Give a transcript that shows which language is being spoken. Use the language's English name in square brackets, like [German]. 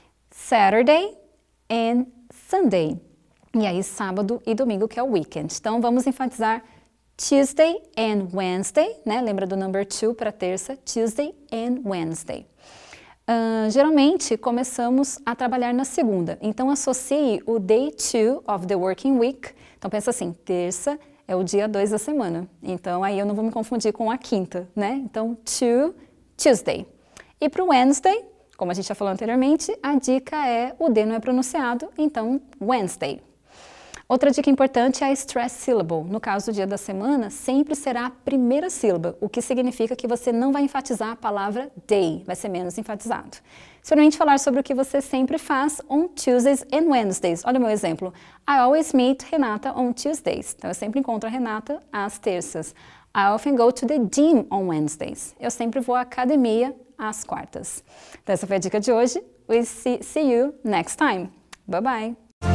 [English] Saturday and Sunday. [Portuguese] E aí, sábado e domingo, que é o weekend. Então, vamos enfatizar Tuesday and Wednesday, né? Lembra do [English] number two [Portuguese] para terça, Tuesday and Wednesday. Geralmente, começamos a trabalhar na segunda. Então, associe o [English] day two of the working week. [Portuguese] Então, pensa assim, terça é o dia dois da semana. Então, aí eu não vou me confundir com a quinta, né? Então, two, Tuesday. E para o Wednesday, como a gente já falou anteriormente, a dica é o D não é pronunciado, então Wednesday. Outra dica importante é a stress syllable. No caso do dia da semana, sempre será a primeira sílaba, o que significa que você não vai enfatizar a palavra day, vai ser menos enfatizado. Experimente falar sobre o que você sempre faz [English] on Tuesdays and Wednesdays. [Portuguese] Olha o meu exemplo. [English] I always meet Renata on Tuesdays. [Portuguese] Então, eu sempre encontro a Renata às terças. [English] I often go to the gym on Wednesdays. [Portuguese] Eu sempre vou à academia às quartas. Então, essa foi a dica de hoje. [English] We see you next time. Bye-bye.